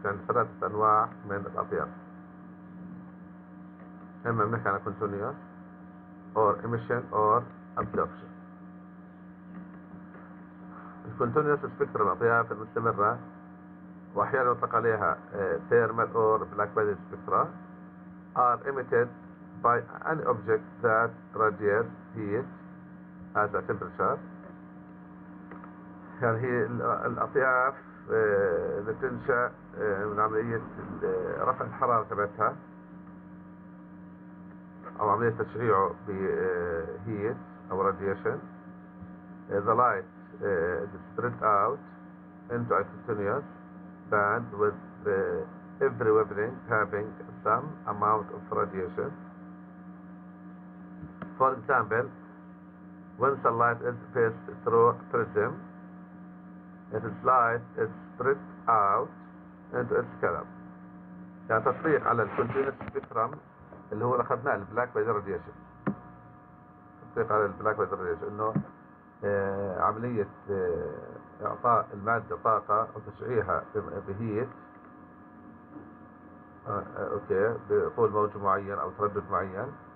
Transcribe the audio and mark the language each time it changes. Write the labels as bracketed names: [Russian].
[Arabic] كان ثلاثة أنواع من الأطياف، إما نحكي عنها [English] continuous or emission or absorption. [Arabic] الكونتينوس سبيكترم الأطياف المستمرة، وأحيانا يطلق عليها [English] thermal or black body spectra، are emitted by an object that radiates heat as a temperature. [Arabic] يعني هي الأطياف اللي تنشأ من عملية رفع الحرارة تبعتها أو عملية تشريعه بـ heat أو radiation. [English] The light spread out into a continuous band with every wavelength having some amount of radiation. For example, when sunlight is passed through a prism, its light is spread out into its color. [Arabic] يعني تطبيق على الكونتينوس سبيكترم اللي هو اخذناه البلاك بودي راديشن، تطبيق على البلاك بودي راديشن انه عملية إعطاء المادة طاقة وتشعيعها بهيت أوكي بطول موج معين أو تردد معين.